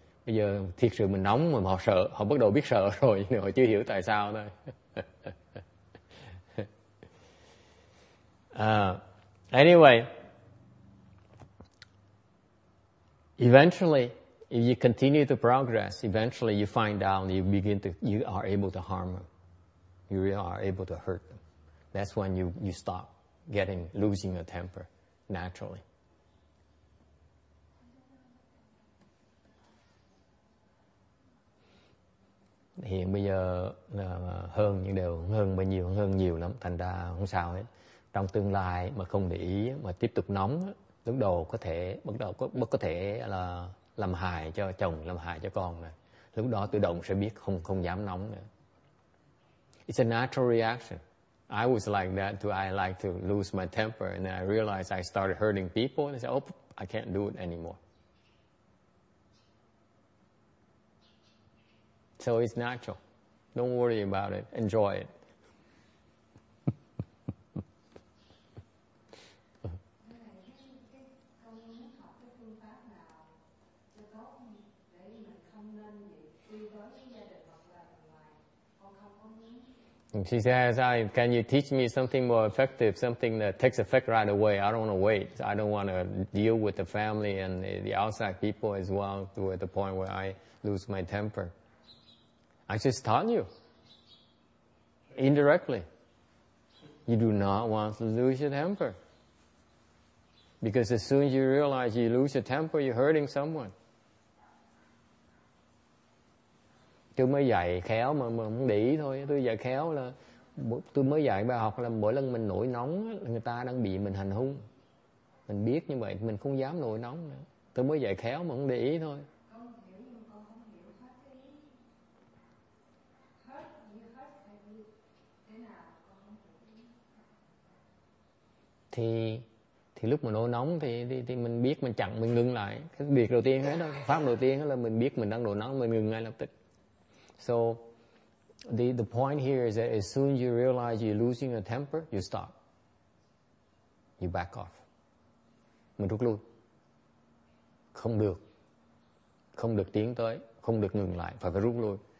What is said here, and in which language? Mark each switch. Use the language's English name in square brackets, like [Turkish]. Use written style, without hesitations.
[Vietnamese] Bây giờ thiệt sự mình nóng mà họ sợ, họ bắt đầu biết sợ rồi, nhưng họ chưa hiểu tại sao thôi. [English] Anyway, eventually, if you continue to progress, eventually you find out you are able to harm them. You really are able to hurt them. That's when you stop losing your temper naturally. [Vietnamese] Hiện bây giờ hơn những điều hơn nhiều lắm, thành ra không sao hết. Trong tương lai mà không để ý mà tiếp tục nóng, lúc đầu có thể là làm hại cho chồng, làm hại cho con này. Lúc đó tự động sẽ biết không dám nóng nữa. [English] It's a natural reaction. I was like that too. I like to lose my temper, and then I realized I started hurting people, and I said, "Oh, I can't do it anymore." So it's natural. Don't worry about it. Enjoy it. She says, can you teach me something more effective, something that takes effect right away? I don't want to wait. I don't want to deal with the family and the outside people as well to the point where I lose my temper. I just taught you. Indirectly. You do not want to lose your temper. Because as soon as you realize you lose your temper, you're hurting someone. [Vietnamese] Tôi mới dạy khéo mà không để ý thôi. Tôi dạy khéo là tôi mới dạy bài học là mỗi lần mình nổi nóng người ta đang bị mình hành hung. Mình biết như vậy mình không dám nổi nóng nữa. Tôi mới dạy khéo mà không để ý thôi. Thì lúc mà nổi nóng thì mình biết mình chặn, mình ngừng lại. Cái việc đầu tiên hết đó, pháp đầu tiên là mình biết mình đang nổi nóng, mình ngừng ngay lập tức. [English] So the point here is that as soon as you realize you're losing your temper, you stop. You back off. [Vietnamese] Mình rút lui. Không được. Không được tiến tới. Không được ngừng lại. Phải rút lui.